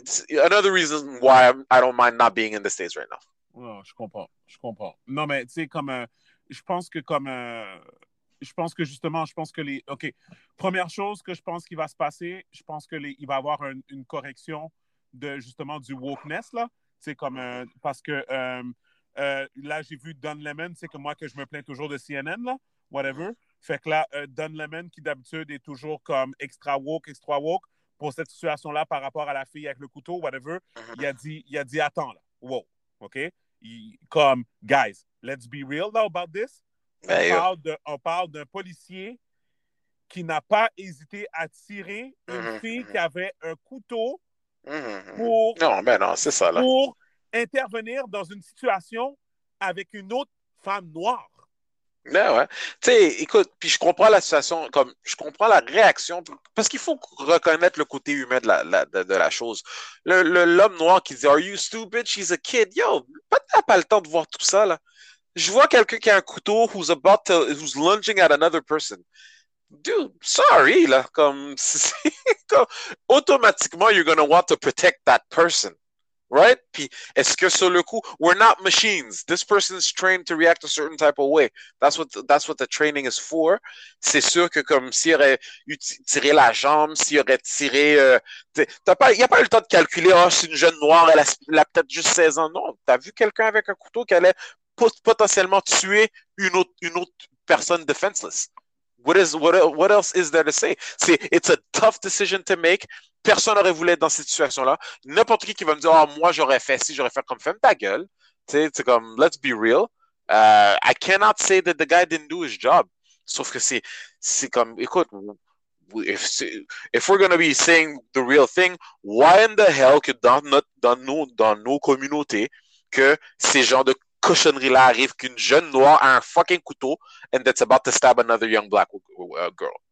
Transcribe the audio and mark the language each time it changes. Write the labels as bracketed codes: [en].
[en] Another reason why I don't mind not being in the States right now. [fr] Oh, je comprends. Je comprends. Non, mais tu sais, je pense que je pense que justement, je pense que les. OK. Première chose que je pense qu'il va se passer, je pense que il va y avoir une correction de justement du wokeness, là. T'sais, comme parce que là, j'ai vu Don Lemon, c'est que moi que je me plains toujours de CNN, là, whatever. Fait que là, Don Lemon, qui d'habitude est toujours comme extra woke, pour cette situation-là par rapport à la fille avec le couteau, whatever, il a dit, attends, là, wow, OK? Comme, [en] guys, let's be real now about this. [fr] On parle d'un policier qui n'a pas hésité à tirer une fille qui avait un couteau Non, mais non, c'est ça, là. pour intervenir dans une situation avec une autre femme noire. Non, ouais. Tu sais, écoute, puis je comprends la situation, comme je comprends la réaction, parce qu'il faut reconnaître le côté humain de la chose. L'homme noir qui dit, [en] Are you stupid? She's a kid. [fr] Yo, pas le temps de voir tout ça, là. Je vois quelqu'un qui a un couteau [en] who's lunging at another person. Dude, sorry, là. [fr] Comme, automatiquement, [en] you're going to want to protect that person. Right? [fr] Puis, est-ce que sur le coup, [en] we're not machines. This person is trained to react a certain type of way. That's what the training is for. [fr] C'est sûr que comme s'il aurait tiré la jambe, s'il aurait tiré. Il n'y a pas eu le temps de calculer, oh, c'est une jeune noire, elle a peut-être juste 16 ans. Non, tu as vu quelqu'un avec un couteau qui allait potentiellement tuer une autre personne defenseless. [en] What else is there to say? It's a tough decision to make. [fr] Personne n'aurait voulu être dans cette situation-là. N'importe qui va me dire, oh, moi, j'aurais fait ci, j'aurais fait comme ferme ta gueule. C'est comme, [en] let's be real. I cannot say that the guy didn't do his job. [fr] Sauf que c'est comme, écoute, [en] if we're going to be saying the real thing, why in the hell [fr] que dans nos communautés, que ces genres de cochonneries-là arrivent, qu'une jeune noire a un fucking couteau, [en] and that's about to stab another young black girl.